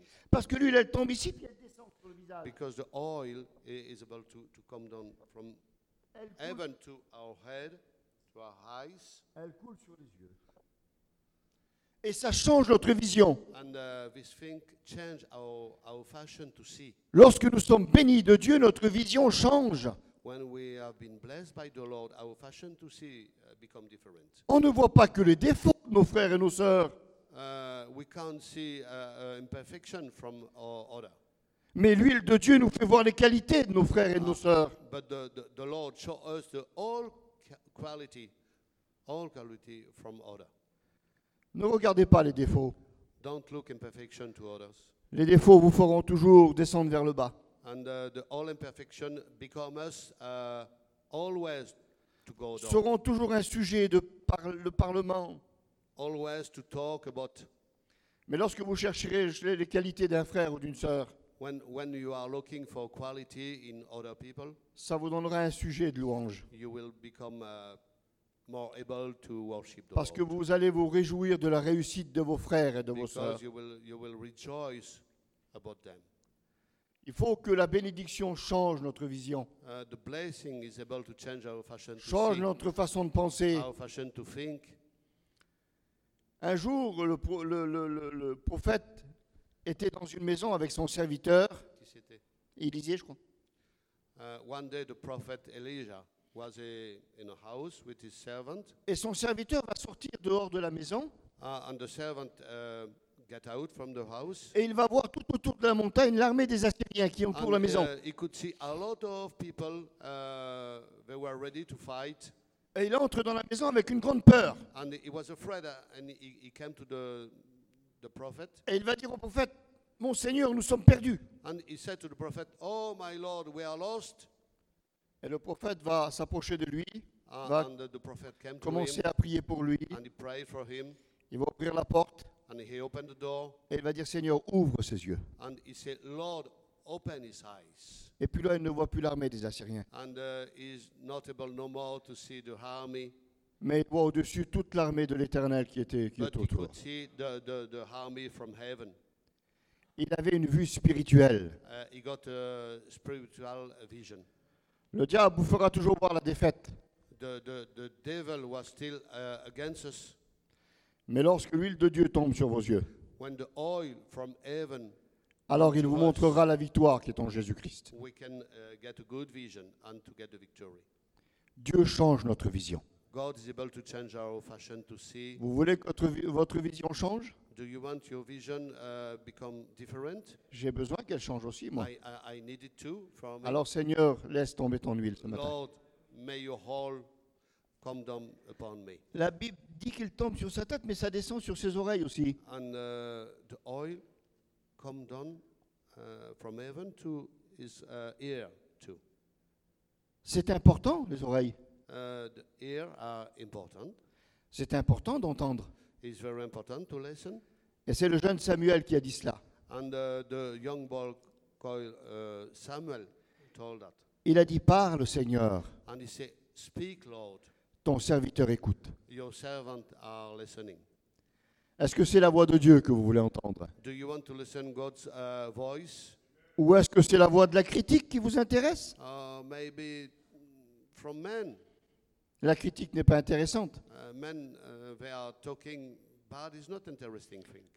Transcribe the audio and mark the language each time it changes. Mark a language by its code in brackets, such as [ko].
[fr] Parce que l'huile, elle tombe ici, puis elle descend sur le visage. [en] Because the oil is about to come down from heaven to our head, to our eyes. [fr] Elle coule sur les yeux. Et ça change notre vision. [en] And this thing changes our fashion to see. [fr] Lorsque nous sommes bénis de Dieu, notre vision change. [en] When we have been blessed by the Lord, our fashion to see become different. [fr] On ne voit pas que les défauts de nos frères et nos sœurs. [en] We can't see imperfection from our other. [fr] Mais l'huile de Dieu nous fait voir les qualités de nos frères et de nos sœurs. [en] But the Lord show us the all quality from other. [fr] Ne regardez pas les défauts. [en] Don't look imperfection to others. [fr] Les défauts vous feront toujours descendre vers le bas. [en] And the all imperfection become us always to go down. [fr] Seront toujours un sujet de le parlement. [en] Always to talk about. [fr] Mais lorsque vous chercherez les qualités d'un frère ou d'une sœur, [en] when you are looking for quality in other people, [fr] ça vous donnera un sujet de louange. [en] You will become more able to worship the [fr] Parce que [en] Lord. [fr] Vous allez vous réjouir de la réussite de vos frères et de [en] Because [fr] vos sœurs. [en] You will rejoice about them. [fr] Il faut que la bénédiction change notre vision. [en] The blessing is able to change our fashion to change see, [fr] notre façon de penser. [en] Our fashion to think. [fr] Un jour, le prophète était dans une maison avec son serviteur. Qui c'était? Élisée, je crois. [en] One day, the prophet Elijah was in a house with his servant. [fr] Et son serviteur va sortir dehors de la maison. [en] And the servant get out from the house. [fr] Et il va voir tout autour de la montagne l'armée des Assyriens qui entourent la maison. [en] He could see a lot of people. They were ready to fight. [fr] Et il entre dans la maison avec une grande peur. [en] And he was afraid, and he came to the prophet. [fr] Et il va dire au prophète, mon Seigneur, nous sommes perdus. [en] And he said to the prophet, oh my Lord, we are lost. [fr] Et le prophète va s'approcher de lui, va [en] and the prophet came [fr] commencer [en] to him, [fr] à prier pour lui. [en] And he prayed for him. [fr] Il va ouvrir la porte. [en] And he opened the door. [fr] Et il va dire, Seigneur, ouvre ses yeux. [en] And he said, Lord, open his eyes. [fr] Et puis là, il ne voit plus l'armée des Assyriens. [en] And, he's not able no more to see the army. [fr] Mais il voit au-dessus toute l'armée de l'Éternel qui [en] But [fr] est autour. [en] He could see the army from heaven. [fr] Il avait une vue spirituelle. [en] He got a spiritual vision. [fr] Le diable vous fera toujours voir la défaite. [en] The devil was still, against us. [fr] Mais lorsque l'huile de Dieu tombe sur vos yeux, [en] when the oil from heaven [fr] alors il vous montrera la victoire qui est en Jésus-Christ. [en] We can, get a good vision and to get the victory. [fr] Dieu change notre vision. [en] God is able to change our fashion to see. [fr] Vous voulez que votre vision change? [en] Do you want your vision, become different? [fr] J'ai besoin qu'elle change aussi, moi. [en] I need it too from [fr] alors, Seigneur, laisse tomber ton huile ce matin. [en] Lord, may your whole come down upon me. [fr] La Bible dit qu'il tombe sur sa tête, mais ça descend sur ses oreilles aussi. [en] And, the oil come down, from heaven to his, ear too. [fr] C'est important, les oreilles. [en] The ear are important. [fr] C'est important d'entendre. [en] It's very important to listen. [fr] Et c'est le jeune Samuel qui a dit cela. [en] And, the young boy called, Samuel told that. [fr] Il a dit, parle, Seigneur. [en] And he said, speak, Lord. [fr] Ton serviteur écoute. [en] Your servant are listening. [fr] Est-ce que c'est la voix de Dieu que vous voulez entendre? [en] Do you want to listen God's, voice? [fr] Ou est-ce que c'est la voix de la critique qui vous intéresse? [en] Maybe from men. [fr] La critique n'est pas intéressante. [en] Men, they are talking, but it's not interesting thing.